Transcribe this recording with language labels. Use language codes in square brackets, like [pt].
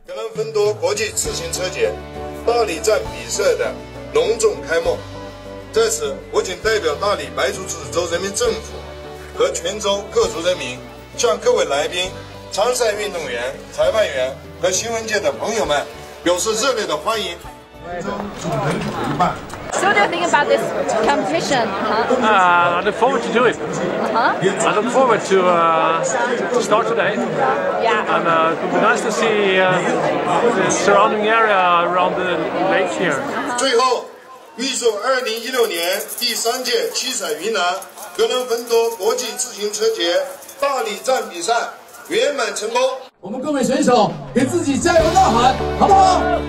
[zh] 格兰芬多国际自行车节大理站比赛的隆重开幕，在此我仅代表大理白族自治州人民政府和全州各族人民，向各位来宾、参赛运动员、裁判员和新闻界的朋友们表示热烈的欢迎。 [en] So what do you think about this competition? I look forward to doing it. I look forward to start today. Yeah. And it would be nice to see the surrounding area around the lake here. [zh] 最后，预祝2016年第三届七彩云南格兰芬多国际自行车节大理站比赛圆满成功。我们各位选手给自己加油呐喊，好不好？